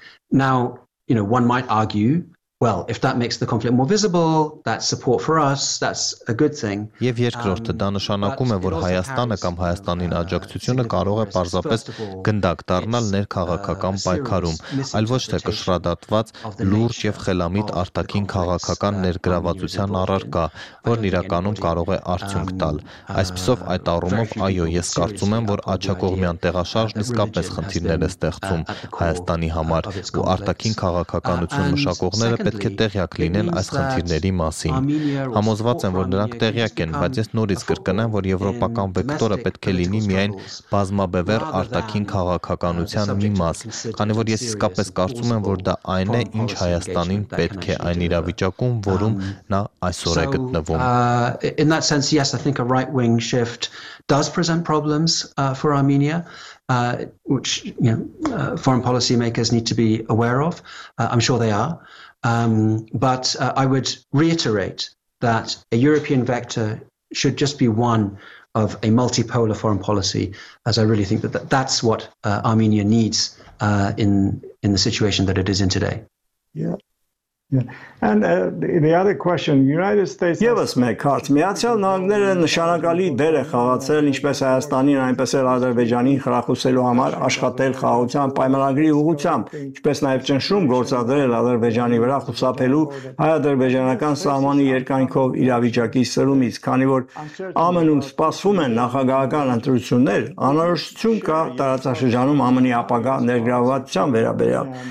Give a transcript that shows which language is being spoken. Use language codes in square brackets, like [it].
[en] Now, you know, one might argue Well, if that makes the conflict more visible, that's support for us, that's a good thing. [hy] Եվ երկրորդը դա նշանակում է, որ Հայաստանը կամ Հայաստանի աջակցությունը կարող է պարզապես գնդակ դառնալ ներքաղաքական պայքարում, այլ ոչ թե կշռադատված լուրջ եւ խելամիտ արտաքին քաղաքական ներգրավվածության առարկա, որն իրականում կարող է արդյունք տալ։ Այսպիսով այդ առումով, այո, ես կարծում եմ, որ աչակողմյան տեղաշարժն իսկապես խնդիրներ է ստեղծում Հայաստանի համար, ու արտաքին քաղաքականություն մշակող պետք է տեղյակ լինեն այս խնդիրների մասին։ Համոզված եմ, որ նրանք տեղյակ են, բայց ես նորից կրկնեմ, որ եվրոպական վեկտորը պետք է լինի միայն բազմաբևեր արտաքին քաղաքականության մի մաս, քանի որ ես իսկապես կարծում եմ, որ դա այն է, ինչ Հայաստանին պետք է այն իրավիճակում, որում նա այսօր է գտնվում։ [en] In that sense, yes, I think a right-wing shift does present problems for Armenia. Which you know, foreign policy makers need to be aware of. I'm sure they are. But I would reiterate that a European vector should just be one of a multipolar foreign policy, as I really think that that's what Armenia needs in the situation that it is in today. Yeah. Yeah. And the other question, United States [hy] Yes, մեկ հարց։ Միացյալ Նահանգները նշանակալի դեր է խաղացել ինչպես Հայաստանին, այնպես էլ Ադրբեջանին խրախուսելու համար աշխատել խաղաղության պայմանագրի ուղղությամբ, ինչպես նաև ճնշում գործադրել Ադրբեջանի վրա խուսափելու հայ-ադրբեջանական սահմանի երկայնքով իրավիճակի սրումից, քանի որ ԱՄՆ-ում սպասվում են նախագահական ընտրություններ, անորոշություն կա տարածաշրջանում ԱՄՆ-ի ապագա ներգրավվածության վերաբերյալ։